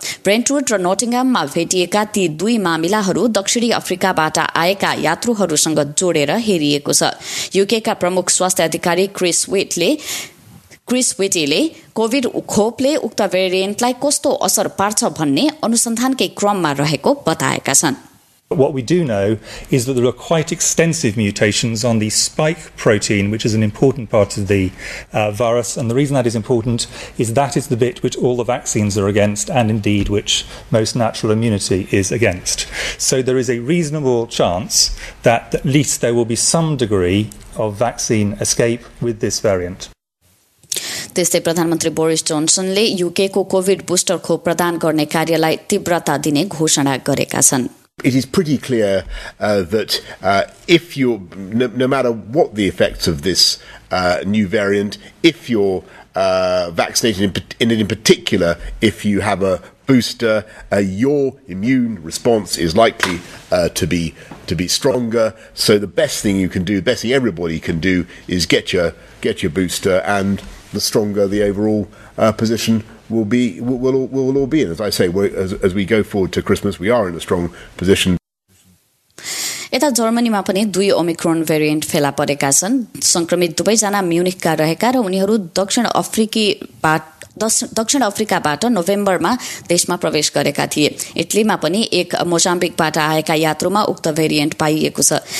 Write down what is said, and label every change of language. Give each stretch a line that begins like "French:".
Nepali: ब्रेन्टवुड र नोटिङ्गममा भेटिएका ती 2 मामिलाहरू दक्षिणी अफ्रिकाबाट आएका यात्रुहरूसँग जोडेर हेरिएको छ। युकेका प्रमुख स्वास्थ्य अधिकारी क्रिस विटीले कोविड खोपले उक्त भेरिएन्टलाई कस्तो असर पार्छ भन्ने अनुसन्धानकै क्रममा रहेको बताएका छन्।
English: What we do know is that there are quite extensive mutations on the spike protein, which is an important part of the virus. And the reason that is important is that is the bit which all the vaccines are against and indeed which most natural immunity is against. So there is a reasonable chance that at least there will be some degree of vaccine escape with this variant.
Nepali: त्यस्तै प्रधानमन्त्री Boris जोन्सनले युकेको Covid booster खोप प्रदान गर्ने कार्यलाई तीव्रता दिने घोषणा गरेका छन्।
English: It is pretty clear that if you're, no matter what the effects of this new variant, if you're vaccinated in particular, if you have a booster, your immune response is likely to be stronger. So the best thing you can do, the best thing everybody can do, is get your booster, and the stronger the overall position will all be. And as I say, as we go forward to Christmas, we are in a strong position.
Nepali: यता जर्मनीमा पनि 2 Omicron variant फेला परेका छन्। संक्रमित दुवैजना म्युनिखका रहेका र उनीहरू दक्षिण अफ्रिकाबाट नोभेम्बरमा देशमा प्रवेश गरेका थिए। इटलीमा पनि एक मोजाम्बिकबाट आएका यात्रुमा उक्त भेरिएन्ट पाइएको छ।